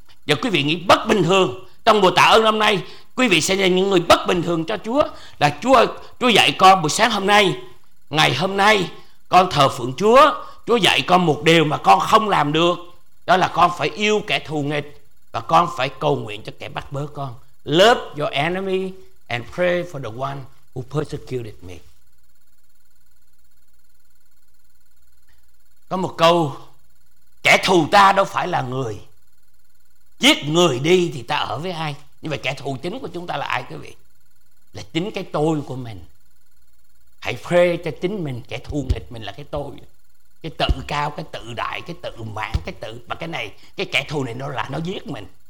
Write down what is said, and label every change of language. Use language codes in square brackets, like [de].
[vi] Và quý vị nghĩ bất bình thường, trong buổi tạ ơn hôm nay quý vị sẽ là những người bất bình thường cho Chúa. Là Chúa, Chúa dạy con buổi sáng hôm nay, ngày hôm nay con thờ phượng Chúa. Chúa dạy con một điều mà con không làm được, đó là con phải yêu kẻ thù nghịch và con phải cầu nguyện cho kẻ bắt bớ con. [en] Love your enemy and pray for the one who persecuted me. [vi] Có một câu, kẻ thù ta đâu phải là người, giết người đi thì ta ở với ai. Nhưng mà kẻ thù chính của chúng ta là ai quý vị? Là chính cái tôi của mình. Hãy pray cho chính mình, kẻ thù nghịch mình là cái tôi, cái tự cao, cái tự đại, cái tự mãn, cái tự mà cái này, cái kẻ thù này nó là nó giết mình.